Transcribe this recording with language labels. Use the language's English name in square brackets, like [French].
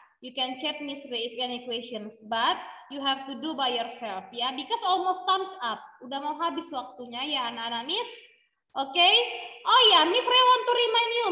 [English] You can chat Miss Ray if any questions, but you have to do by yourself ya. Because almost time's up. [Indonesian] Udah mau habis waktunya ya anak-anak Miss. Oke. [English] Okay? Oh ya, Miss Ray want to remind you.